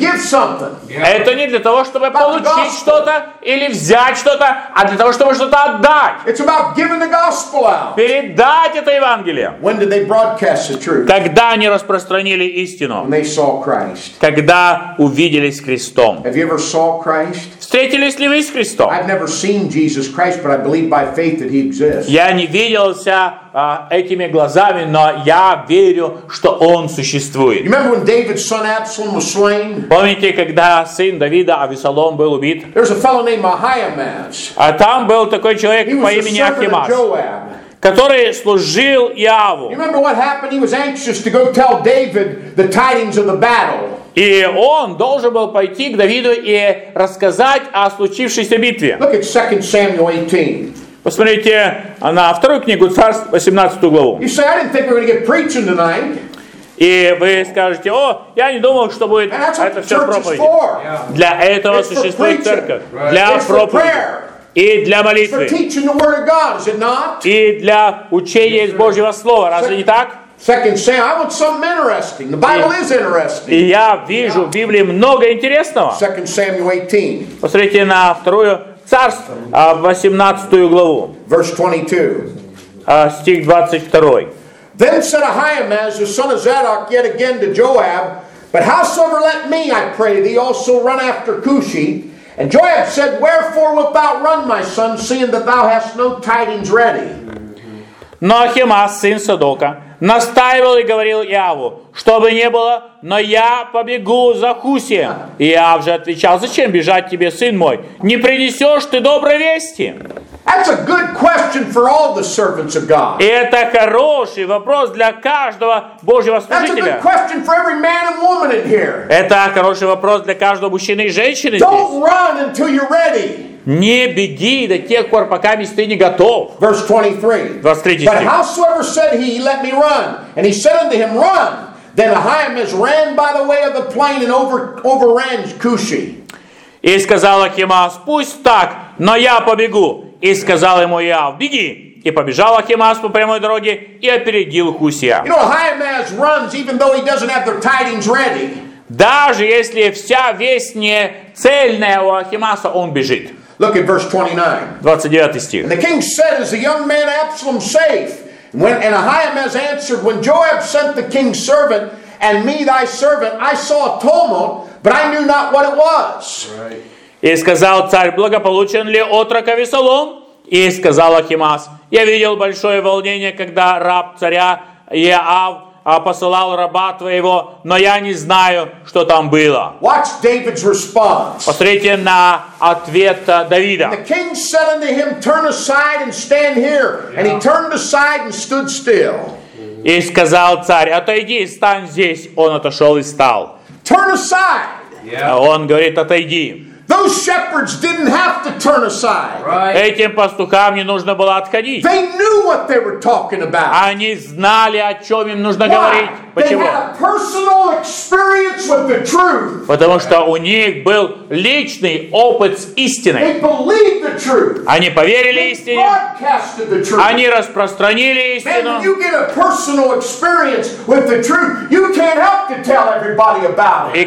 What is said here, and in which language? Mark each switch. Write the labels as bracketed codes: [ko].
[ru] Это не для того, чтобы получить что-то или взять что-то, а для того, чтобы что-то отдать. [en] It's about giving the gospel out. [ru] Передать это Евангелие. [en] When did they broadcast the truth? [ru] Когда они распространили истину? [en] When they saw Christ. [ru] Когда увидели с Христом? [en] Have you ever saw Christ? [ru] Встретились ли вы с Христом? [en] I've never seen Jesus Christ, but I believe by faith that he exists. [ru] Я не виделся этими глазами, но я верю, что он существует. [en] You remember when David's son Absalom was slain? [ru] Помните, когда сын Давида Авессалом был убит? [en] There's a fellow named Ahimaaz. [ru] А там был такой человек по имени Ахимас, который служил Иоаву. [en] You remember what happened? He was anxious to go tell David the tidings of the battle. [ru] И он должен был пойти к Давиду и рассказать о случившейся битве. [en] Look at 2 Samuel 18. [ru] Посмотрите на вторую книгу Царств, 18 главу. [en] You say, I didn't think we were going to get preaching tonight. [ru] И вы скажете, о, я не думал, что будет это все проповедь. Для этого [en] It's [ru] существует церковь. [en] Right. [ru] Для [en] It's [ru] проповеди. И для молитвы. [en] It's for teaching the word of God, is it not? [ru] И для учения из Божьего Слова. Разве не так? [en] Second Samuel, I want something interesting. The Bible is interesting. [ru] И я вижу в Библии много интересного. [en] Second Samuel 18. [ru] Посмотрите на вторую царство, 18 главу. [en] Verse 22. [ru] Стих 22. [en] Then said Ahimaaz, the son of Zadok, yet again to Joab, but howsoever let me, I pray thee, also run after Cushi. And Joab said, wherefore wilt thou run, my son, seeing that thou hast no tidings ready? [ru] Но Ахимас, сын Садока, настаивал и говорил Иаву, чтобы не было, но я побегу за Хусием. И Иав же отвечал, зачем бежать тебе, сын мой? Не принесешь ты доброй вести? [en] That's a good question for all the servants of God. [ru] Это хороший вопрос для каждого Божьего служителя. [en] That's a good question for every man and woman in here. [ru] Это хороший вопрос для каждого мужчины и женщины здесь. [en] Don't run until you're ready. [ru] Не беги до тех пор, пока ты не готов. [en] Verse 23. But howsoever said he, let me run. And he said unto him, run. Then Ahimaaz ran by the way of the plain and overran Cushi. [ru] И сказал Ахимаас, пусть так, но я побегу. И сказал ему Иав, беги. И побежал Ахимаас по прямой дороге и опередил Хусия. [en] You know, Ahimaaz runs, even though he doesn't have the tidings ready. [ru] Даже если вся весть не цельная у Ахимааса, он бежит. [en] Look at verse 29. [ru] 29 стих. [en] And the king said, is the young man Absalom safe? And Ahimaaz answered, when Joab sent the king's servant and me thy servant, I saw a tumult, but I knew not what it was. [ru] И сказал царь, благополучен ли отрок Авессалом? И сказал Ахимаас, я видел большое волнение, когда раб царя Иав посылал раба твоего, но я не знаю, что там было. [en] Watch David's response. [ru] Посмотрите на ответ Давида. [en] And the king said unto him, turn aside and stand here. Yeah. And he turned aside and stood still. [ru] И сказал царь, отойди, стань здесь. Он отошел и стал. [en] Turn aside. Yeah. [ru] Он говорит, отойди. [en] Those shepherds didn't have to turn aside. Right. [ru] Этим пастухам не нужно было отходить. [en] They knew what they were talking about. [ru] Они знали, о чем им нужно [en] Why? [ru] Говорить. Почему? [en] They had a personal experience with the truth. [ru] Потому что у них был личный опыт с истиной. [en] They believed the truth. [ru] Они поверили истине. [en] They broadcasted the truth. [ru] Они распространили истину. [en] Then you get a personal experience with the truth. You can't help to tell everybody about it.